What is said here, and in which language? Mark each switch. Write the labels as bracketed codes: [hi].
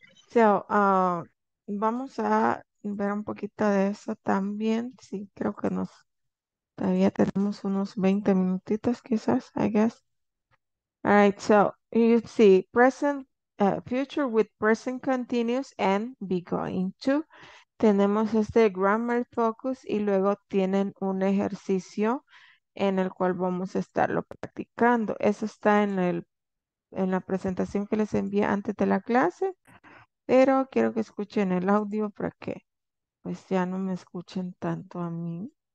[es] So, vamos a ver un poquito de eso también. Sí, creo que nos todavía tenemos unos 20 minutitos quizás, [en] I guess. All right, so you see present, future with present continuous and be going to. [es] Tenemos este grammar focus y luego tienen un ejercicio en el cual vamos a estarlo practicando. Eso está en el en la presentación que les envié antes de la clase, pero quiero que escuchen el audio para que pues ya no me escuchen tanto a mí.